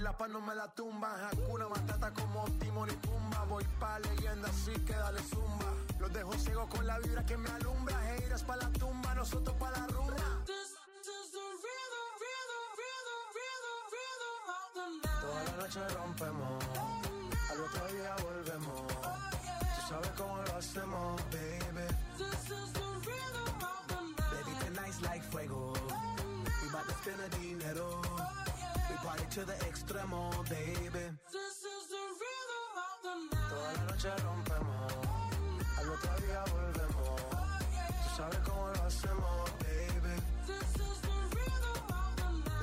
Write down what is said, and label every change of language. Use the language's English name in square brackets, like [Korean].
[Spanish] No me la tumba, Hakuna Matata como Timón y Pumba. Voy pa' leyenda, así que dale zumba. Los dejo ciego con la vibra que me alumbra. Haters pa' la tumba, nosotros pa' la rumba. [English] This is the rhythm of the night. [Spanish] Toda la noche rompemos, al otro día volvemos. Tú sabes cómo lo hacemos, baby. [English] This is the rhythm of the night. Baby, tonight's like fuego. We about to spend the dinero. Party to the extremo, baby. This is the rhythm of the night. [Spanish] Toda la noche rompemos. Al otro día volvemos. Oh, yeah, yeah. Tú sabes cómo lo hacemos, baby. [English] This is the rhythm of the night.